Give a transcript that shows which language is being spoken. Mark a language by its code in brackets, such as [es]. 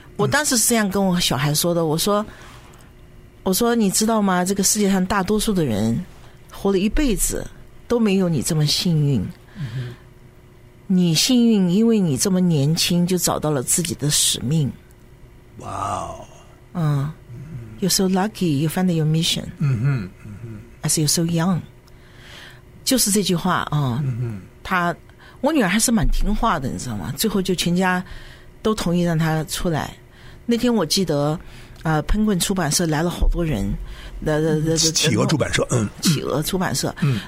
[zh] 我当时是这样跟我小孩说的，我说你知道吗，这个世界上大多数的人活了一辈子都没有你这么幸运，你幸运因为你这么年轻就找到了自己的使命。哇哦， [en] 嗯，you're so lucky you find your mission, 嗯哼， as you're so young, [zh] 就是这句话啊，嗯，他我女儿还是蛮听话的你知道吗，最后就全家都同意让他出来。那天我记得喷棍出版社来了好多人，企鹅出版社，嗯，企鹅出版社，嗯，